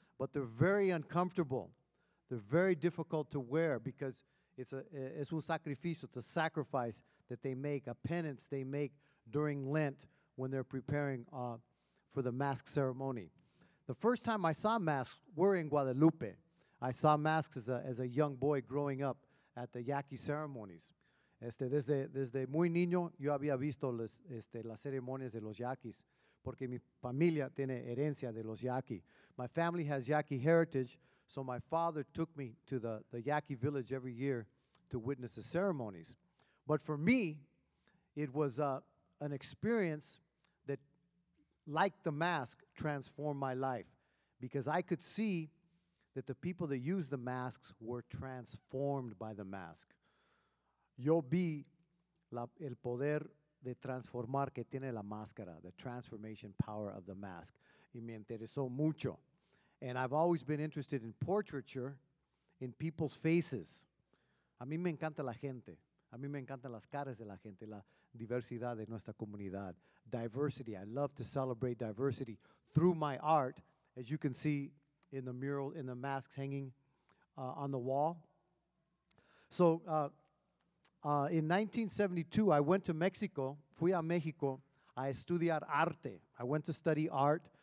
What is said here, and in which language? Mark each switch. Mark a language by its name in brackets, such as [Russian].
[English] But they're very uncomfortable. They're very difficult to wear because it's [Spanish] un sacrificio, [English] it's a sacrifice that they make, a penance they make during Lent when they're preparing for the mask ceremony. The first time I saw masks were in Guadalupe. I saw masks as a young boy growing up at the Yaqui ceremonies. [Spanish] Desde muy niño yo había visto las ceremonias de los Yaquis, porque mi familia tiene herencia de los Yaqui. [English] My family has Yaqui heritage, so my father took me to the Yaqui village every year to witness the ceremonies. But for me, it was an experience like the mask, transformed my life, because I could see that the people that use the masks were transformed by the mask. [Spanish] Yo vi el poder de transformar que tiene la máscara, [English] the transformation power of the mask. [Spanish] Y me interesó mucho. [English] And I've always been interested in portraiture, in people's faces. [Spanish] A mí me encanta la gente. A mí me encantan las caras de la gente, la diversidad de nuestra comunidad. [English] Diversity. I love to celebrate diversity through my art, as you can see in the mural, in the masks hanging on the wall. So in 1972, I went to Mexico. [Spanish] Fui a México a estudiar arte. [English] I went to study art.